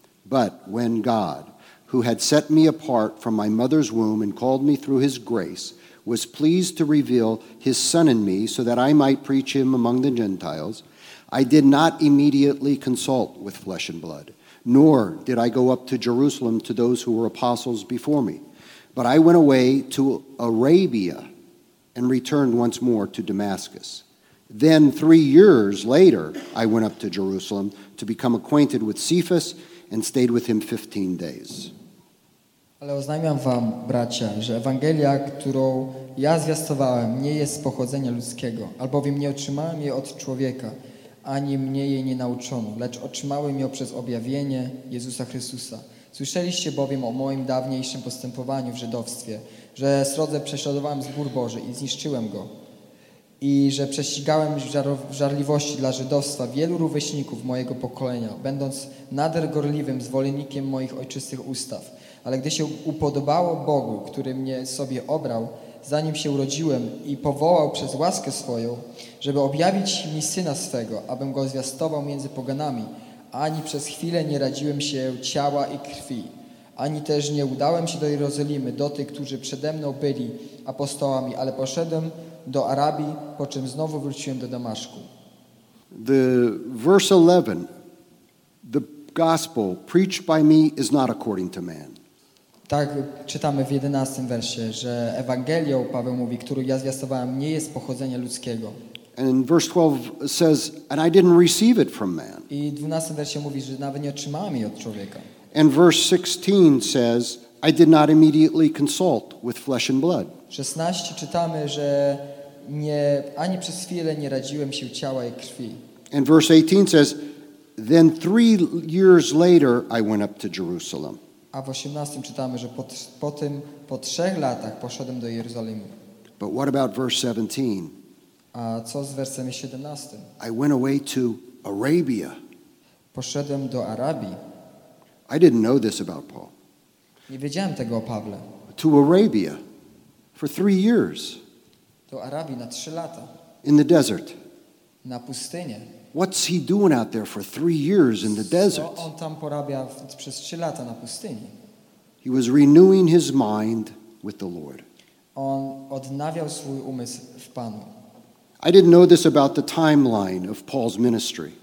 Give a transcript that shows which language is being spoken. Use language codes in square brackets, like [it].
[en] But when God, who had set me apart from my mother's womb and called me through his grace, was pleased to reveal his son in me so that I might preach him among the Gentiles, I did not immediately consult with flesh and blood, nor did I go up to Jerusalem to those who were apostles before me. But I went away to Arabia and returned once more to Damascus. Then 3 years later, I went up to Jerusalem to become acquainted with Cephas and stayed with him 15 days. [pl] Ale oznajmiam wam, bracia, że Ewangelia, którą ja zwiastowałem, nie jest z pochodzenia ludzkiego, albowiem nie otrzymałem jej od człowieka, ani mnie jej nie nauczono, lecz otrzymałem ją przez objawienie Jezusa Chrystusa. Słyszeliście bowiem o moim dawniejszym postępowaniu w żydowstwie, że srodze prześladowałem zbór Boży i zniszczyłem go, i że prześcigałem w żarliwości dla żydostwa wielu rówieśników mojego pokolenia, będąc nader gorliwym zwolennikiem moich ojczystych ustaw. Ale gdy się upodobało Bogu, który mnie sobie obrał, zanim się urodziłem i powołał przez łaskę swoją, żeby objawić mi syna swego, abym go zwiastował między poganami, ani przez chwilę nie radziłem się ciała i krwi, ani też nie udałem się do Jerozolimy, do tych, którzy przede mną byli apostołami, ale poszedłem do Arabii, po czym znowu wróciłem do Damaszku. [en] The verse 11, the gospel preached by me is not according to man. [pl] Tak czytamy w 11 wersie, że Ewangelią, Paweł mówi, którą ja zwiastowałem, nie jest pochodzenia ludzkiego. [en] And verse 12 says, and I didn't receive it from man. [pl] I 12 wersie mówi, że nawet nie otrzymałem jej od człowieka. [en] And verse 16 says, I did not immediately consult with flesh and blood. [pl] 16 czytamy, że nie, ani przez chwilę nie radziłem się ciała i krwi. [en] And verse 18 says, then 3 years later I went up to Jerusalem. [pl] A w 18 czytamy, że po 3 latach poszedłem do Jerozolimy. [en] But what about verse 17? [pl] A co z wersem 17? [en] I went away to Arabia. [pl] Poszedłem do Arabii. [en] I didn't know this about Paul. [pl] Nie wiedziałem tego o Pawle. [en] To Arabia for 3 years. [pl] Do Arabii na 3 lata. [en] In the desert. [pl] Na pustynię. [en] What's he doing out there for 3 years in the desert? [pl] Co on tam porabia przez 3 lata na pustyni? [en] He was renewing his mind with the Lord. [pl] On odnawiał swój umysł w Panu. [en] I didn't know this about the timeline of Paul's ministry.